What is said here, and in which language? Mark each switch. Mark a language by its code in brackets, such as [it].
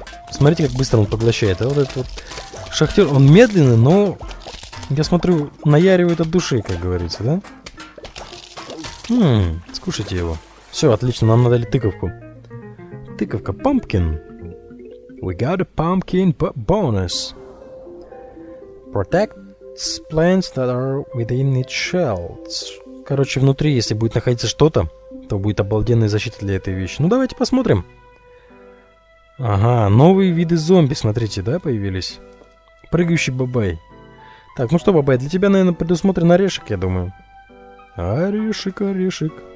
[ru] Смотрите, как быстро он поглощает. А вот этот вот шахтер, он медленный, но... Я смотрю, наяривает от души, как говорится, да? Скушайте его. Все, отлично, нам надо ли тыковку. Тыковка, pumpkin. [en] We got a pumpkin bonus. protects plants that are within its shells. [ru] Короче, внутри, если будет находиться что-то, то будет обалденная защита для этой вещи. Ну, давайте посмотрим. Ага, новые виды зомби, смотрите, да, появились? Прыгающий бабай. Так, ну что, бабай, для тебя, наверное, предусмотрен орешек, я думаю. Орешек, орешек.